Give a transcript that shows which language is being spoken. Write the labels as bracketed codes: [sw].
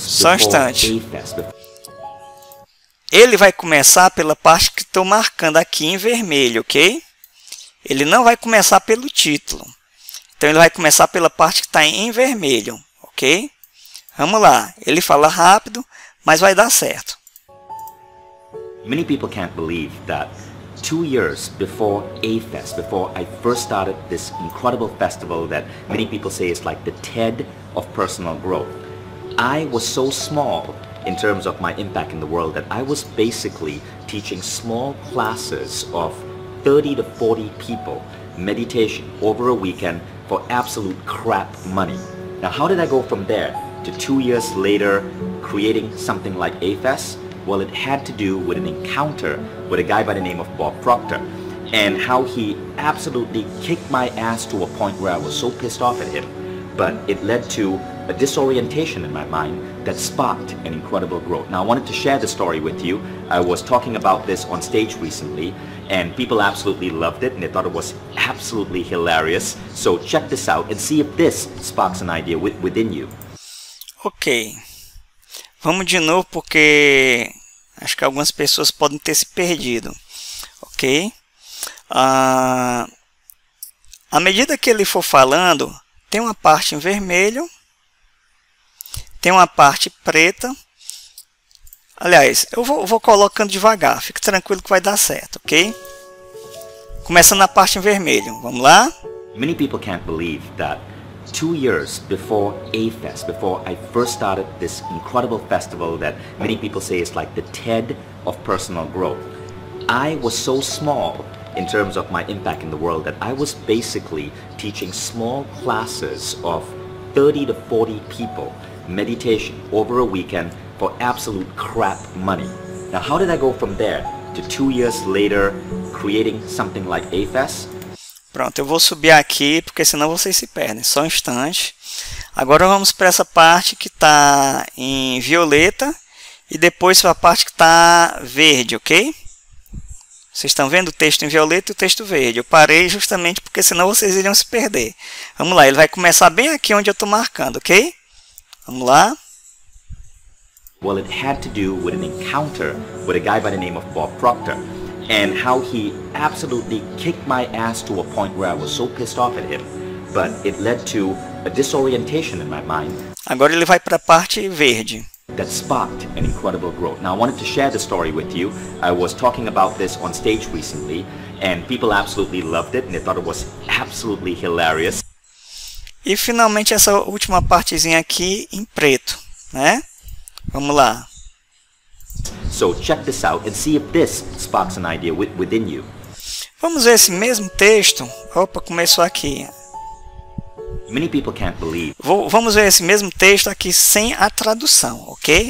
[en] before APEC. [pt] Só um instante. Ele vai começar pela parte que estou marcando aqui em vermelho, ok? Ele não vai começar pelo título. Então ele vai começar pela parte que está em vermelho, ok? Vamos lá. Ele fala rápido, mas vai dar certo. [en] Many people can't believe that 2 years before A-Fest, before I first started this incredible festival that many people say is like the TED of personal growth, I was so small in terms of my impact in the world that I was basically teaching small classes of 30 to 40 people meditation over a weekend for absolute crap money. Now, how did I go from there to 2 years later creating something like A-Fest? Well, it had to do with an encounter with a guy by the name of Bob Proctor and how he absolutely kicked my ass to a point where I was so pissed off at him. But it led to a disorientation in my mind that sparked an incredible growth. Now, I wanted to share the story with you. I was talking about this on stage recently and people absolutely loved it and they thought it was absolutely hilarious. So check this out and see if this sparks an idea within you. Okay. [pt] Vamos de novo, porque acho que algumas pessoas podem ter se perdido, ok? À medida que ele for falando, tem uma parte em vermelho, tem uma parte preta. Aliás, eu vou colocando devagar, fique tranquilo que vai dar certo, ok? Começando na parte em vermelho, vamos lá? [en] Many people can't believe that 2 years before A-Fest, before I first started this incredible festival that many people say is like the TED of personal growth, I was so small in terms of my impact in the world that I was basically teaching small classes of 30 to 40 people meditation over a weekend for absolute crap money. Now, how did I go from there to 2 years later creating something like A-Fest? [pt] Pronto, eu vou subir aqui, porque senão vocês se perdem. Só um instante. Agora vamos para essa parte que está em violeta e depois para a parte que está verde, ok? Vocês estão vendo o texto em violeta e o texto verde. Eu parei justamente porque senão vocês iriam se perder. Vamos lá, ele vai começar bem aqui onde eu estou marcando, ok? Vamos lá. [en] Well, it had to do with an encounter with a guy by the name of Bob Proctor. And how he absolutely kicked my ass to a point where I was so pissed off at him. But it led to a disorientation in my mind. [pt] Agora ele vai para a parte verde. [en] That sparked an incredible growth. Now, I wanted to share the story with you. I was talking about this on stage recently. And people absolutely loved it. And they thought it was absolutely hilarious. [pt] E finalmente essa última partezinha aqui em preto, né? Vamos lá. [en] So check this out and see if this sparks an idea within you. [pt] Vamos ver esse mesmo texto. Opa, começou aqui. [en] Many people can't believe. [pt] Vamos ver esse mesmo texto aqui sem a tradução, ok?